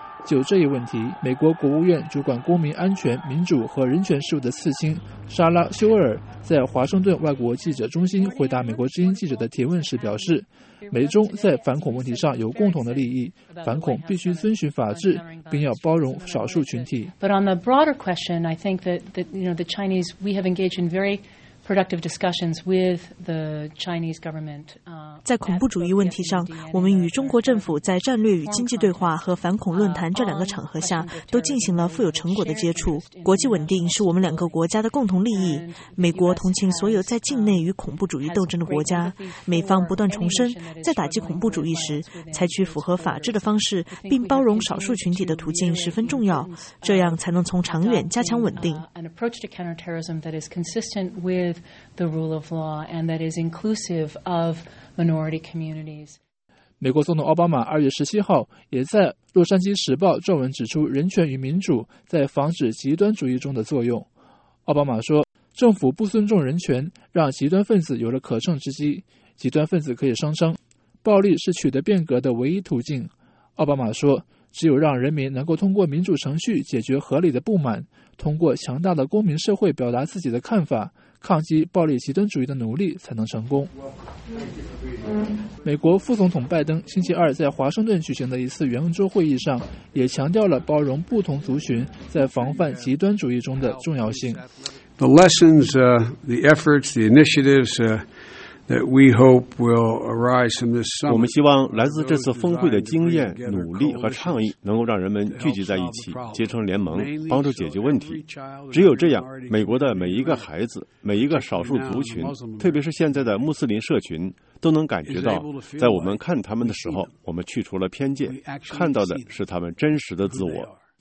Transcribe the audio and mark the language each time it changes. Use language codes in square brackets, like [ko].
[zh] 就这一问题，美国国务院主管公民安全、民主和人权事务的次卿莎拉·休尔在华盛顿外国记者中心回答美国之音记者的提问时表示，美中在反恐问题上有共同的利益，反恐必须遵循法治，并要包容少数群体。 [en] But on the broader question, I think that you know the Chinese, we have engaged in very productive discussions with the Chinese government. [zh] 在恐怖主义问题上，我们与中国政府在战略与经济对话和反恐论坛这两个场合下都进行了富有成果的接触。国际稳定是我们两个国家的共同利益。美国同情所有在境内与恐怖主义斗争的国家。美方不断重申，在打击恐怖主义时，采取符合法治的方式并包容少数群体的途径十分重要，这样才能从长远加强稳定。 [en] The rule of law and that is inclusive of minority communities. [zh] 美国总统奥巴马2月17号也在《洛杉矶时报》撰文指出人权与民主在防止极端主义中的作用。奥巴马说，政府不尊重人权，让极端分子有了可乘之机。极端分子可以声称，暴力是取得变革的唯一途径。奥巴马说，只有让人民能够通过民主程序解决合理的不满，通过强大的公民社会表达自己的看法，抗击暴力极端主义的努力才能成功。美国副总统拜登星期二在华盛顿举行的一次圆桌会议上也强调了包容不同族群在防范极端主义中的重要性。 [en] The lessons, the efforts, the initiatives, that we hope will arise from this summit. [zh] 我们希望来自这次峰会的经验、努力和倡议能够让人们聚集在一起，结成联盟，帮助解决问题。只有这样，美国的每一个孩子、每一个少数族群，特别是现在的穆斯林社群，都能感觉到，在我们看他们的时候，我们去除了偏见，看到的是他们真实的自我。